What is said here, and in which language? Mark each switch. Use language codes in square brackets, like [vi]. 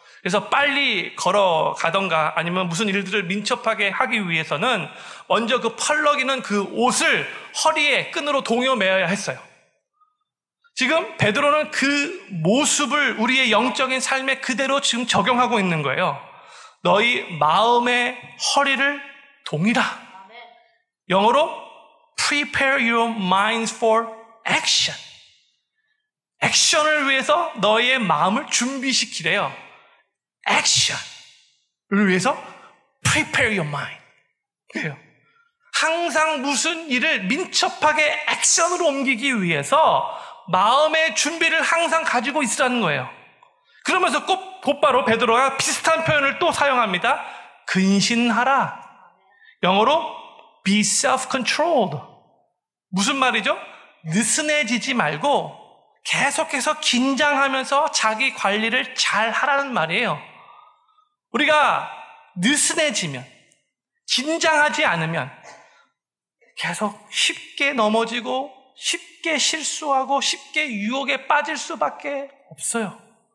[ko] 그래서 빨리 걸어가던가 아니면 무슨 일들을 민첩하게 하기 위해서는 먼저 그 펄럭이는 그 옷을 허리에 끈으로 동여매어야 했어요. 지금 베드로는 그 모습을 우리의 영적인 삶에 그대로 지금 적용하고 있는 거예요. 너희 마음의 허리를 동이라. 영어로 [en] prepare your minds for action. [ko] 액션을 위해서 너희의 마음을 준비시키래요. 액션을 위해서 [en] prepare your mind. [ko] 그래요. 항상 무슨 일을 민첩하게 액션으로 옮기기 위해서 마음의 준비를 항상 가지고 있으라는 거예요. 그러면서 꼭 곧바로 베드로가 비슷한 표현을 또 사용합니다. 근신하라. 영어로 [en] be self-controlled. [ko] 무슨 말이죠? 느슨해지지 말고 계속해서 긴장하면서 자기 관리를 잘 하라는 말이에요. 우리가 느슨해지면, 긴장하지 않으면 계속 쉽게 넘어지고 쉽게 실수하고 쉽게 유혹에 빠질 수밖에 없어요.